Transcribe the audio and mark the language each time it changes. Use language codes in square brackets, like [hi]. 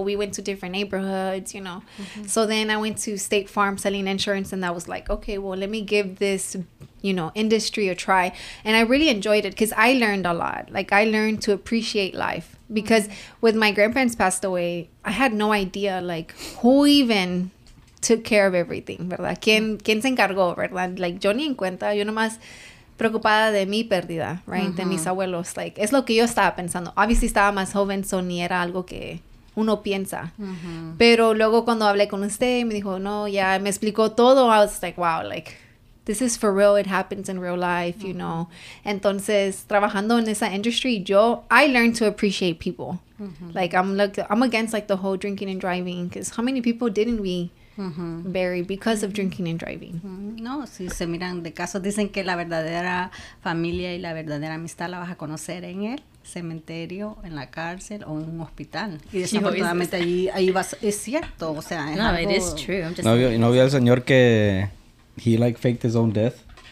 [en] We went to different neighborhoods, you know. Mm-hmm. So then I went to State Farm selling insurance and that was like, okay, well, let me give this, you know, industry a try. And I really enjoyed it because I learned a lot. Like, I learned to appreciate life because mm-hmm. with my grandparents passed away, I had no idea, like, who even... took care of everything, [es] ¿verdad? ¿Quién se encargó, verdad? Like, yo ni en cuenta, yo nomás preocupada de mi pérdida, right? Uh-huh. De mis abuelos. Like, es lo que yo estaba pensando. Obviamente estaba más joven, so ni era algo que uno piensa. Uh-huh. Pero luego cuando hablé con usted, me dijo, no, ya, me explicó todo. [en] I was like, wow, like, this is for real. It happens in real life, uh-huh. you know? [es] Entonces, trabajando en esa [en] industry, I learned to appreciate people. Uh-huh. Like, I'm against, like, the whole drinking and driving, because how many people didn't we... Mm-hmm. Barry, because of drinking and driving. [es] No, si se miran de caso, dicen que la verdadera familia y la verdadera amistad la vas a conocer en el cementerio, en la cárcel o en un hospital. Y desafortunadamente ahí vas, es cierto, o sea, no, algo, [en] it is true. I'm just [es] no vi al señor que [en] he like faked his own death